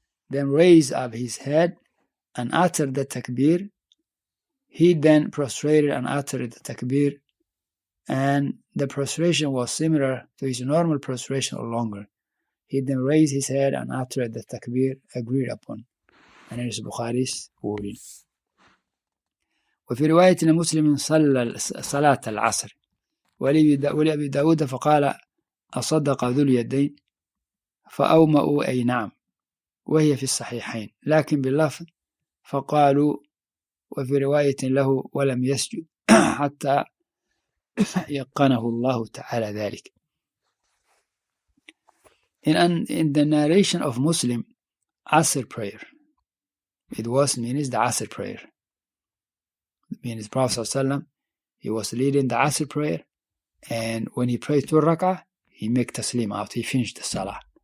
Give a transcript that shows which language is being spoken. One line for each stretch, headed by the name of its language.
English: Then raised up his head and uttered the takbir. He then prostrated and uttered the takbir, and the prostration was similar to his normal prostration or longer. He then raised his head and uttered the takbir agreed upon. And it is Bukhari's wording.
Arabic: وفي رواية لمسلم صلى صلاة العصر ولأبي داود فقال أصدق ذو اليدين فأومأوا أي نعم وهي في الصحيحين لكن باللفظ فقالوا وفي رواية له ولم يسجد حتى يقنه الله تعالى ذلك.
English: In the narration of Muslim, Asr prayer, it was means the Asr prayer. Means Prophet ﷺ, he was leading the Asr prayer, and when he prayed two rak'ah, he make taslim out, he finished the salah.